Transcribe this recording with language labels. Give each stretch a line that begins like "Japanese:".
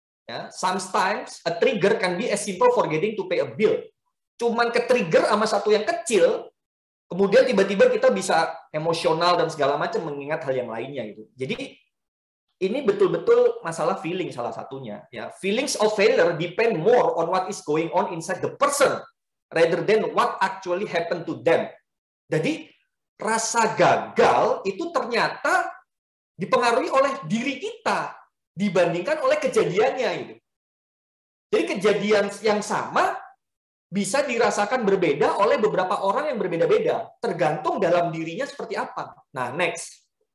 English: Ya, sometimes a trigger can be as simple forgetting to pay a bill.
Indonesian: Cuman ke-trigger sama satu yang kecil, kemudian tiba-tiba kita bisa emosional dan segala macam mengingat hal yang lainnya gitu. Jadi ini betul-betul masalah feeling salah satunya ya.
English: Feelings of failure depend more on what is going on inside the person rather than what actually happened to them.
Indonesian: Jadi rasa gagal itu ternyata dipengaruhi oleh diri kita dibandingkan oleh kejadiannya itu. Jadi kejadian yang sama bisa dirasakan berbeda oleh beberapa orang yang berbeda-beda, tergantung dalam dirinya seperti apa. Nah, next.